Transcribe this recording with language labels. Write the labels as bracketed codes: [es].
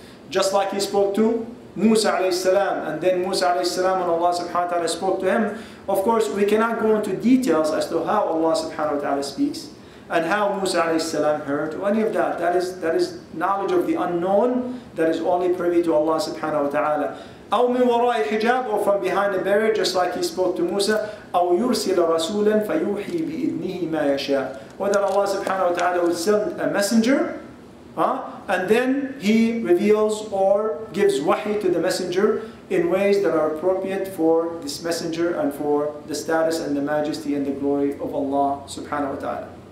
[en] Just like he spoke to Musa alayhi salam, and then Musa alayhi salam and Allah subhanahu wa ta'ala spoke to him. Of course, we cannot go into details as to how Allah subhanahu wa ta'ala speaks and how Musa alayhi salam heard, or any of that. That is knowledge of the unknown that is only privy to Allah subhanahu wa ta'ala. [ar] أو من وراء حجاب, [en] or from behind a barrier, just like he spoke to Musa. [ar] أو يرسل رسولا فيوحي بإذنه ما يشاء. [en] Or that Allah subhanahu wa ta'ala would send a messenger, and then he reveals or gives wahi to the messenger in ways that are appropriate for this messenger and for the status and the majesty and the glory of Allah subhanahu wa ta'ala.